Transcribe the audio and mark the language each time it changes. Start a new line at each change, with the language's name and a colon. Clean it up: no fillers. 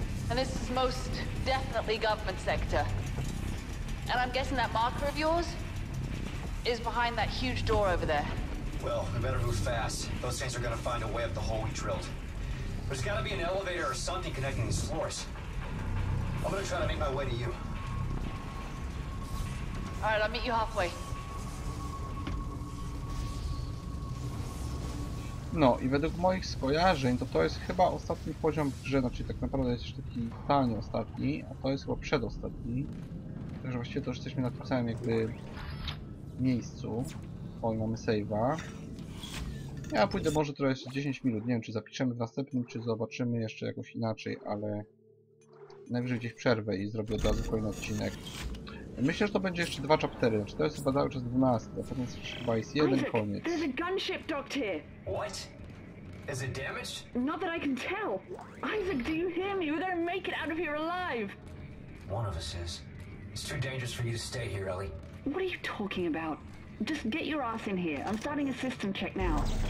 English: And this is most definitely government sector. And I'm guessing that marker of yours is behind that huge door over there. Well, we better move fast. Those things are gonna find a way up the hole we drilled. There's gotta be an elevator or something connecting these floors. I'm gonna try to make my way to you. All right, I'll meet you halfway.
Polish: No i według moich skojarzeń to jest chyba ostatni poziom w grze, znaczy tak naprawdę jest jeszcze taki totalnie ostatni, a to jest chyba przedostatni. Także właściwie to, że jesteśmy na tym samym jakby miejscu. Oj, mamy save'a. Ja pójdę może trochę jeszcze 10 minut, nie wiem czy zapiszemy w następnym, czy zobaczymy jeszcze jakoś inaczej, ale najwyżej gdzieś przerwę i zrobię od razu kolejny odcinek. Myślę, że to będzie jeszcze dwa chaptery, czy to jest chyba cały czas 12, a potem chyba jest jeden
English: Isaac,
Polish: koniec.
English: There's a gunship docked here. What? Is it damaged? Not that I can tell. Isaac, do you hear me? We're gonna make it out of here alive. One of us is. It's too dangerous for you to stay here, Ellie. What are you talking about? Just get your ass in here. I'm starting a system check now.